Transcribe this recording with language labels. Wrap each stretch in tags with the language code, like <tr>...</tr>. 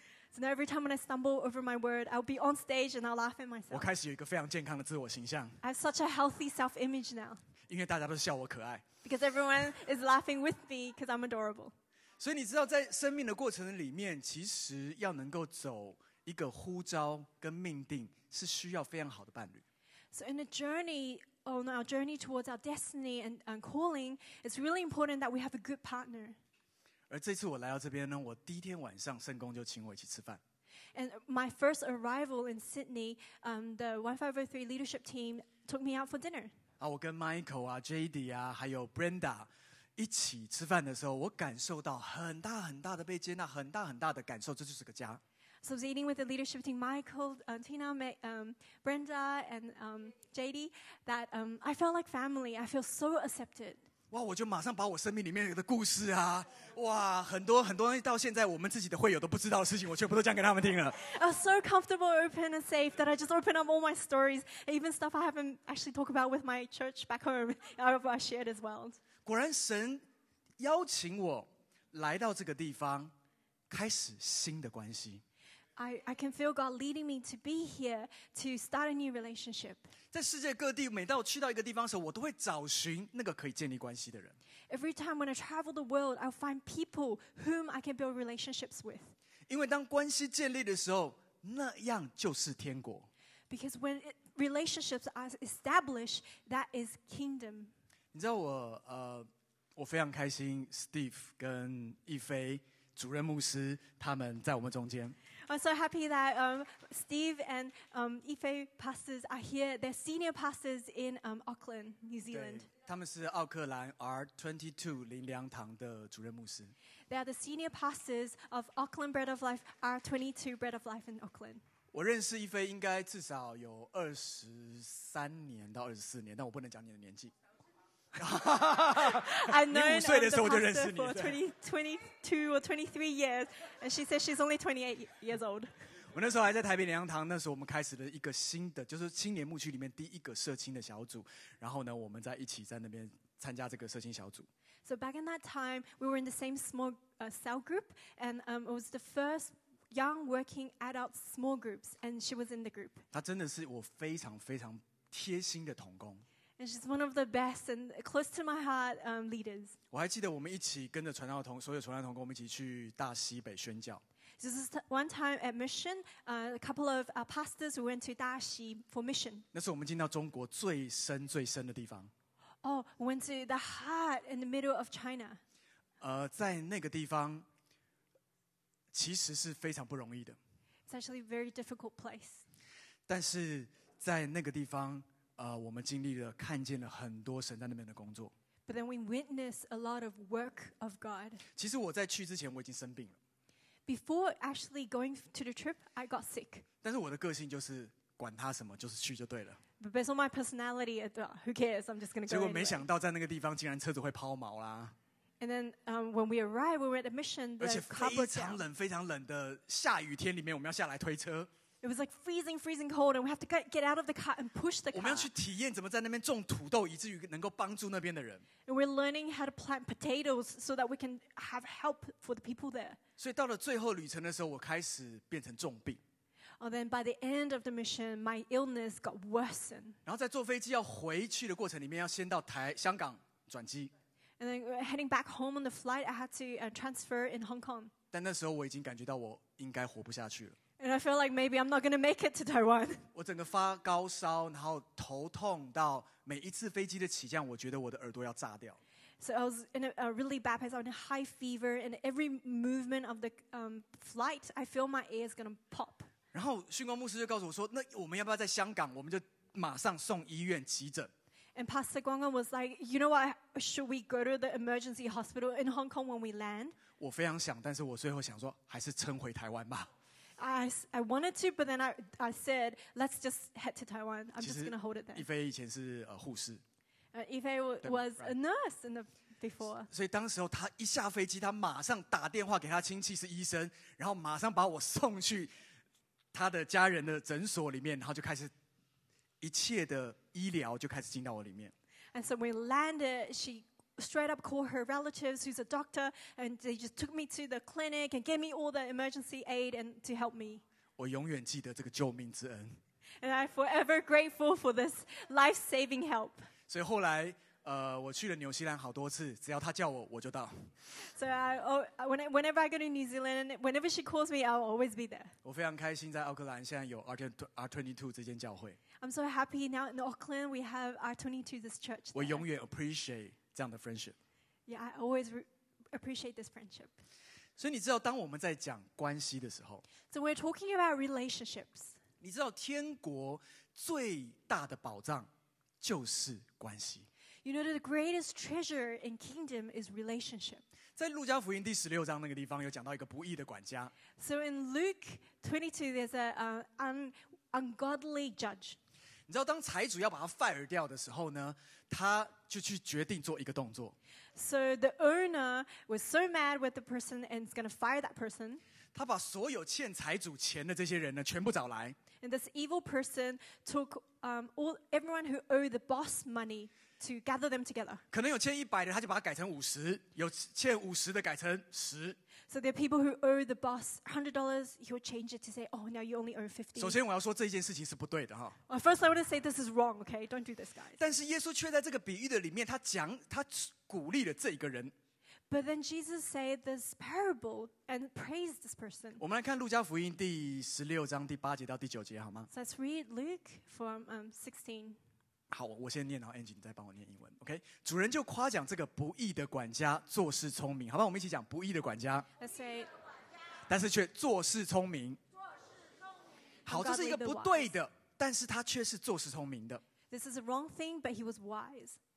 <en>So now every time when I stumble over my word, I'll be on stage and I'll laugh at myself.</en> <zh>我开始有一个非常健康的自我形象。</zh> <en>I have such a healthy self-image now.</en> <zh>因为大家都笑我可爱。</zh> <en>Because everyone is laughing with me because I'm adorable.</en> <zh>所以你知道，在生命的过程里面，其实要能够走一个呼召跟命定，是需要非常好的伴侣。</zh> <en>So in a journey. On our journey towards our destiny and calling, it's really important that we have a good partner.</en> <zh>而这次我来到这边呢，我第一天晚上圣公就请我一起吃饭。</zh> <en>And my first arrival in Sydney, the 1503 leadership team took me out for dinner.</en> <zh>啊，我跟 Michael 啊 ，JD 啊，还有 Brenda 一起吃饭的时候，我感受到很大很大的被接纳，很大很大的感受，这就是个家。</zh> <en>So I was eating with the leadership team, Michael, Tina, Brenda, and JD, that I felt like family. I feel so accepted.</en> <zh>哇，我就马上把我生命里面的故事啊，哇，很多很多东西到现在我们自己的会友都不知道的事情，我全部都讲给他们听了。</zh> <en>I was so comfortable, open, and safe that I just opened up all my stories, even stuff I haven't actually talked about with my church back home. I shared as well.</en> <zh>果然神邀请我来到这个地方，开始新的关系。</zh> <en>I can feel God leading me to be here to start a new relationship.</en> <zh>在世界各地，每到去到一个地方的时候，我都会找寻那个可以建立关系的人。</zh> <en>Every time when I travel the world, I'll find people whom I can build relationships with.</en> <zh>因为当关系建立的时候，那样就是天国。</zh> <en>Because when relationships are established, that is kingdom.</en> <zh>你知道我我非常开心 ，Steve 跟逸飞主任牧师他们在我们中间。</zh> <en>I'm so happy that Steve and Ife pastors are here. They're senior pastors in Auckland, New Zealand.</en> <zh>他们是奥克兰 R22 灵粮堂的主任牧师。</zh> <en>They are the senior pastors of Auckland Bread of Life, R22 Bread of Life in Auckland.</en> <zh>我认识Ife应该至少有23年到24年，但我不能讲你的年纪。</zh> <en>I've known the pastor for 22 or 23 years, and she says she's only 28 years old.</en> <zh>我那时候还在台北灵粮堂，那时候我们开始了一个新的，就是青年牧区里面第一个社青的小组。然后呢，我们在一起在那边参加这个社青小组。</zh> <en>So back in that time, we were in the same small cell group, and it was the first young working adult small groups, and she was in the group.</en> <zh>她真的是我非常非常贴心的同工。</zh> <en>And she's one of the best and close to my heart leaders.</en> <zh>我还记得我们一起跟着传道同所有传道同工，我们一起去大西北宣教。</zh> <en>So this is one time at mission. A couple of pastors went to 大西 for mission.</en> <zh>那是我们进到中国最深最深的地方。</zh> <en>Oh, went to the heart in the middle of China.</en> <zh>在那个地方其实是非常不容易的。</zh> <en>It's actually a very difficult place.</en> <zh>但是在那个地方。我们经历了看见了很多神在那边的工作。</zh> <en>But then we witness a lot of work of God.</en> <zh>其实我在去之前我已经生病了。</zh> <en>Before actually going to the trip, I got sick.</en> <zh>但是我的个性就是管他什么，就是去就对了。</zh> <en>But based on my personality, who cares? I'm just going to go.</en> <zh>结果没想到在那个地方竟然车子会抛锚啦。</zh> <en>And then when we arrived, we were at the mission.</en> <zh>而且非常冷，非常冷的下雨天里面，我们要下来推车。</zh> <en>It was like freezing, freezing cold, and we have to get out of the car and push the car.</en> <zh>我们要去体验怎么在那边种土豆，以至于能够帮助那边的人。</zh> <en>And we're learning how to plant potatoes so that we can have help for the people there.</en> <zh>所以到了最后旅程的时候，我开始变成重病。</zh> <en>Oh, then by the end of the mission, my illness got worsened.</en> <zh>然后在坐飞机要回去的过程里面，要先到香港转机。</zh> <en>And then heading back home on the flight, I had to transfer in Hong Kong.</en> <zh>但那时候我已经感觉到我应该活不下去了。</zh> <en>And I feel like maybe I'm not going to make it to Taiwan.</en> <zh>我整个发高烧，然后头痛到每一次飞机的起降，我觉得我的耳朵要炸掉。</zh> <en>So I was in a really bad place. I had a high fever, and every movement of the flight, I feel my ear is going to pop.</en> <zh>然后训光牧师就告诉我说：“那我们要不要在香港，我们就马上送医院急诊？”</zh> <en>And Pastor Guangguan was like, "You know what? Should we go to the emergency hospital in Hong Kong when we land?"</en> <zh>我非常想，但是我最后想说，还是撑回台湾吧。</zh> <en>I wanted to, but then I said, let's just head to Taiwan. I'm just going to hold it there.</en> <zh>逸飞以前是护士。</zh> <en>逸飞 was a nurse in the before.</en> <zh>所以当时候他一下飞机，他马上打电话给他亲戚是医生，然后马上把我送去他的家人的诊所里面，然后就开始一切的医疗就开始进到我里面。</zh> <en>And so we landed, she straight up called her relatives, who's a doctor, and they just took me to the clinic and gave me all the emergency aid and to help me.</en> <zh>我永远记得这个救命之恩。</zh> <en>And I'm forever grateful for this life-saving help.</en> <zh>所以后来。我去了纽西兰好多次，只要她叫我，我就到。</zh> <en>So whenever I go to New Zealand, whenever she calls me, I'll always be there.</en> <zh>我非常开心在奥克兰现在有 R22 这间教会。</zh> <en>I'm so happy now in Auckland we have R22 this church.</en> <zh>我永远</zh> <en>appreciate</en> <zh>这样的</zh> <en>friendship. Yeah, I always appreciate this friendship.</en> <zh>所以你知道，当我们在讲关系的时候</zh> <en>，So we're talking about relationships.</en> <zh>你知道天国最大的宝藏就是关系。</zh> <en>You know, the greatest treasure in kingdom is relationship.</en> <zh>在路加福音第十六章那个地方有讲到一个不义的管家。</zh> <en>So in Luke 22, there's an ungodly judge.</en> <zh>你知道当财主要把他</zh> <en>fire</en> <zh>掉的时候呢，他就去决定做一个动作。</zh> <en>So the owner was so mad with the person and is going to fire that person.</en> <zh>他把所有欠财主钱的这些人呢，全部找来。</zh> <en>And this evil person took everyone who owed the boss money. To gather them together.</en> <zh>可能有欠一百的，他就把它改成五十；有欠五十的改成十。</zh> <en>So there are people who owe the boss $100. He will change it to say, "Oh, now you only owe $50."</en> <zh>首先我要说这件事情是不对的哈。</zh> <en>First, I want to say this is wrong. Okay, don't do this, guys.</en> <zh>但是耶稣却在这个比喻的里面，他鼓励了这一个人。</zh> <en>But then Jesus said this parable and praised this person.</en> <zh>我们来看路加福音第十六章第八节到第九节，好吗</zh> <en>？So let's read Luke from 16.</en> <zh>好，我先念，然后 Angie 你再帮我念英文 ，OK？ 主人就夸奖这个不义的管家做事聪明，好吧？我们一起讲不义的管家。</zh> <en>Let's say，</en> <zh>但是却做事聪明。好，这是一个不对的，但是他却是做事聪明的。</zh> <en>This is a wrong thing, but he was wise.</en>